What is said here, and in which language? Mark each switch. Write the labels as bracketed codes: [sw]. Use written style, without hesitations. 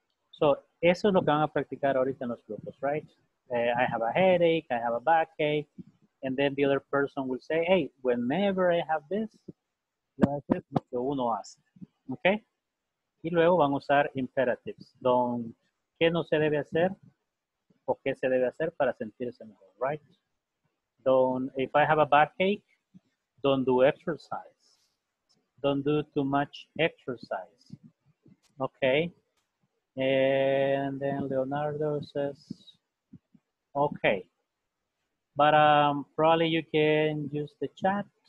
[es] So, eso es lo que van a practicar ahorita en los grupos, right? [en] I have a headache, I have a backache. And then the other person will say, hey, whenever I have this, that's it, [es] lo que uno hace. Okay? Y luego van a usar imperatives. ¿Qué no se debe hacer? ¿O qué se debe hacer para sentirse mejor? [en] Right? If I have a backache, don't do exercise. Don't do too much exercise. Okay? And then Leonardo says, okay. But probably you can use the chat.